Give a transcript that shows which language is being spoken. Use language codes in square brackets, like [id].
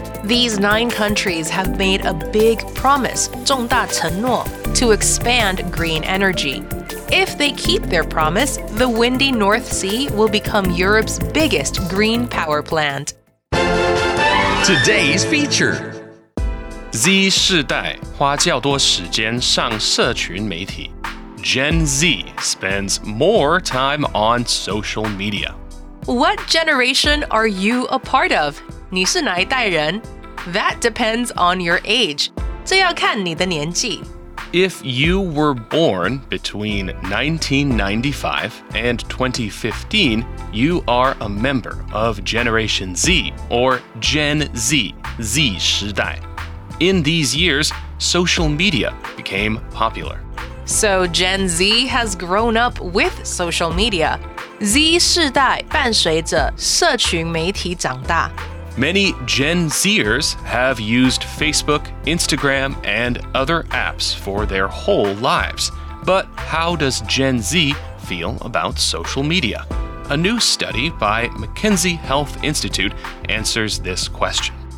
[en] These 9 countries have made a big promise, [zh] 重大承诺, [en] to expand green energy. If they keep their promise, the Windy North Sea will become Europe's biggest green power plant. Today's feature. [zh] Z 世代花较多时间上社群媒体。 [en] Gen Z spends more time on social media. What generation are you a part of? [zh] 你是哪一代人? [en] That depends on your age. [zh] 这要看你的年纪。 [en] If you were born between 1995 and 2015, you are a member of Generation Z or Gen Z, Z 世代. In these years, social media became popular. So Gen Z has grown up with social media. [zh] Z 世代伴随着社群媒体长大。 [en] Many Gen Zers have used Facebook, Instagram, and other apps for their whole lives. But how does Gen Z feel about social media? A new study by McKinsey Health Institute answers this question.